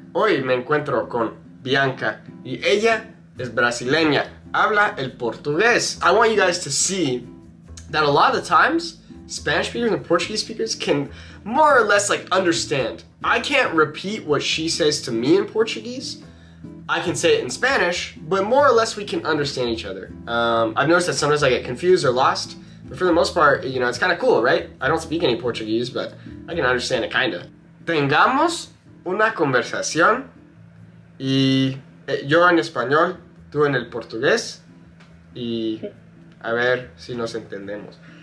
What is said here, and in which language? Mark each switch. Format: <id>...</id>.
<es>Hoy me encuentro con Bianca y ella es brasileña. Habla el portugués.</es> <en>I want you guys to see that a lot of the times, Spanish speakers and Portuguese speakers can more or less like understand. I can't repeat what she says to me in Portuguese. I can say it in Spanish, but more or less we can understand each other. I've noticed that sometimes I get confused or lost, but for the most part, you know, it's kind of cool, right? I don't speak any Portuguese, but I can understand it kinda.</en> <es>Tengamos una conversación y yo en español, tú en el portugués y a ver si nos entendemos.</es>